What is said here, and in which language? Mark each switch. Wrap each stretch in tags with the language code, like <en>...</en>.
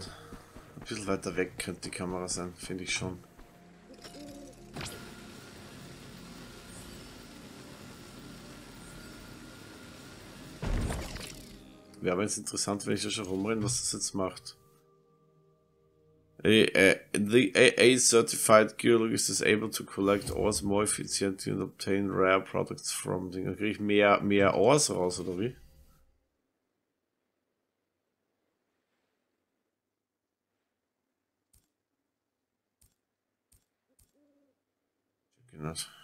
<de>Ein bisschen weiter weg könnte die Kamera sein, finde ich schon. Wäre aber jetzt interessant, wenn ich da schon rumrenne, was das jetzt macht.</de> <en>The AA-certified Geolog is able to collect ores more efficiently and obtain rare products from the...</en> <de>Dann kriege ich mehr Ores raus, oder wie? Genau.</de>